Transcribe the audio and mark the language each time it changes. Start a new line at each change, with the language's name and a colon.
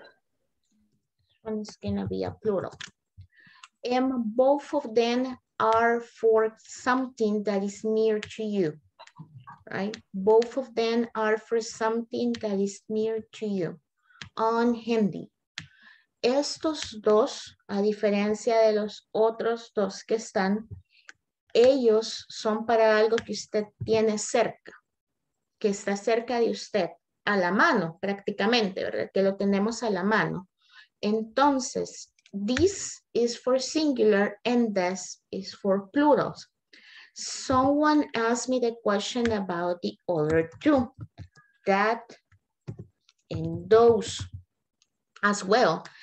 English: This one's gonna be a plural. And both of them are for something that is near to you, right? Both of them are for something that is near to you, on handy.
Spanish: Estos dos, a diferencia de los otros dos que están, ellos son para algo que usted tiene cerca, que está cerca de usted, a la mano, prácticamente, ¿verdad? Que lo tenemos a la mano. Entonces,
English: this is for singular and this is for plurals. Someone asked me the question about the other two, that and those as well.